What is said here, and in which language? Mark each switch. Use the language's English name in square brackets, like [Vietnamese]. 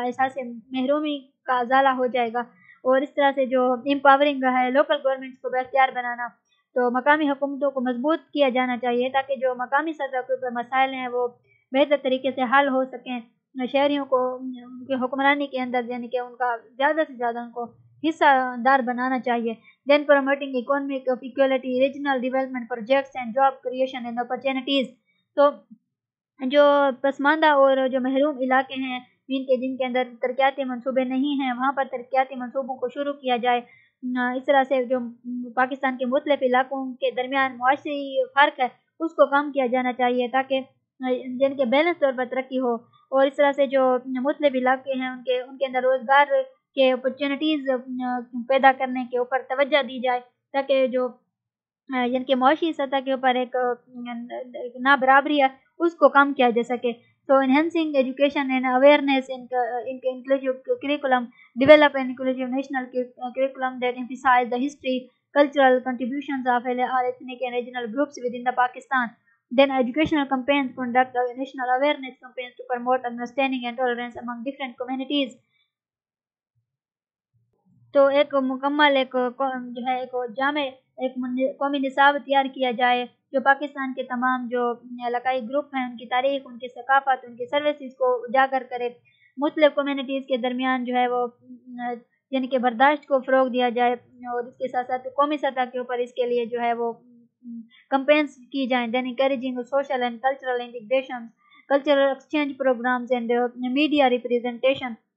[Urdu] احساس محرومی کا ازالہ ہو جائے گا. اور اس طرح سے جو امپاورنگ ہے لوکل گورنمنٹس کو بااختیار بنانا تو مقامی حکومتوں کو مضبوط کیا جانا چاہیے تاکہ جو مقامی سطح کے اوپر مسائل ہیں وہ بہتر طریقے سے حل ہو سکیں. شہریوں کو حکمرانی کے اندر یعنی کہ ان کا زیادہ سے زیادہ ان کو حصہ دار بنانا چاہیے. [English] Then promoting economic of equality regional development projects and job creation and opportunities. [Urdu] تو جو پسماندہ اور جو محروم علاقے ہیں مین کے جن کے اندر ترقیاتی منصوبے نہیں ہیں وہاں پر ترقیاتی منصوبوں کو شروع کیا جائے. اس طرح سے جو پاکستان کے مختلف علاقوں کے درمیان معاشی فرق ہے اس کو کم کیا جانا چاہیے تاکہ جن کے بیلنس طور پر ترقی ہو. اور اس طرح سے جو مختلف علاقے ہیں ان کے اندر روزگار کے اپرچونیٹیز پیدا کرنے کے اوپر توجہ دی جائے تاکہ جو جن کے معاشی سطح کے اوپر ایک نابرابری ہے اس کو کم کیا جا سکے. [English] So enhancing education and awareness ان کے inclusive curriculum develop and inclusive national curriculum that emphasize the history cultural contributions of all ethnic and regional groups with in the Pakistan. Then educational campaigns conduct national awareness campaigns to promote understanding and tolerance among different communities. [Urdu] تو ایک مکمل ایک جو ہے ایک جامع ایک قومی نصاب تیار کیا جائے جو پاکستان کے تمام جو علاقائی گروپ ہیں ان کی تاریخ ان کی ثقافت ان کی سروسز کو اجاگر کرے مختلف کمیونٹیز کے درمیان جو ہے وہ یعنی کہ برداشت کو فروغ دیا جائے اور اس کے ساتھ ساتھ قومی سطح کے اوپر اس کے لیے جو ہے وہ کمپینز کی جائیں [English] then encouraging social and cultural integration cultural exchange programmes and media representation